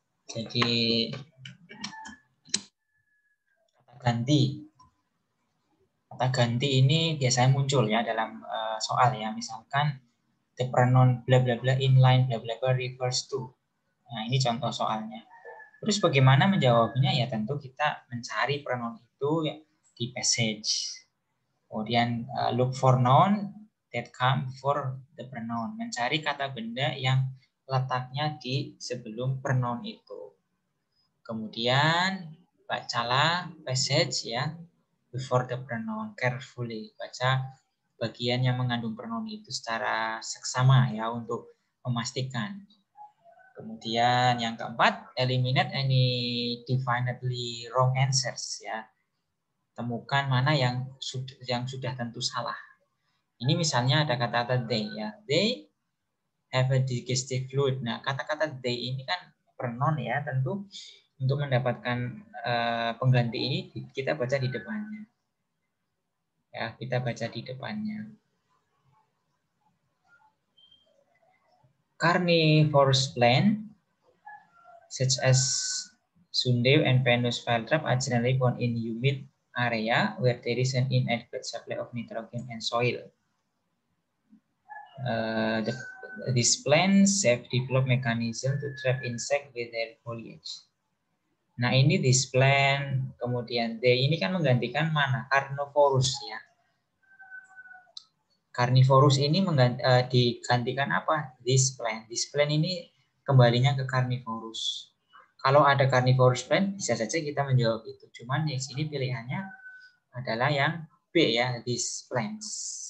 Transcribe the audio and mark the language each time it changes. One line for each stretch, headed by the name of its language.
Indonesian: Jadi kata ganti. Kata ganti ini biasanya muncul, ya, dalam soal, ya.
English: Misalkan the pronoun bla bla bla in line bla bla bla refers to.
Indonesian: Nah, ini contoh soalnya. Terus bagaimana menjawabnya? Ya, tentu kita mencari pronoun itu, ya, di passage. Kemudian
English: look for noun that come for the pronoun.
Indonesian: Mencari kata benda yang letaknya di sebelum pronoun itu. Kemudian bacalah
English: passage, ya, before the pronoun carefully.
Indonesian: Baca bagian yang mengandung pronoun itu secara seksama, ya, untuk memastikan. Kemudian yang keempat,
English: eliminate any definitely wrong answers, ya.
Indonesian: Temukan mana yang sudah tentu salah. Ini misalnya ada kata-kata they, ya.
English: They have a digestive fluid.
Indonesian: Nah, kata-kata they ini kan pronoun, ya, tentu untuk mendapatkan pengganti ini kita baca di depannya. Ya, kita baca di depannya.
English: Carnivore's plan such as Sundew and Venus flytrap are generally found in humid area where there is an inadequate supply of nitrogen and soil. These plants have developed mechanism to trap insects with their foliage.
Indonesian: Nah, ini
English: this plant,
Indonesian: kemudian they, ini kan menggantikan mana?
English: Carnivorous, ya.
Indonesian: Carnivorous ini digantikan apa?
English: This plant. This plant
Indonesian: ini kembalinya ke carnivorous. Kalau ada carnivorous plant, bisa saja kita menjawab itu. Cuman di sini pilihannya adalah yang B, ya,
English: these plants.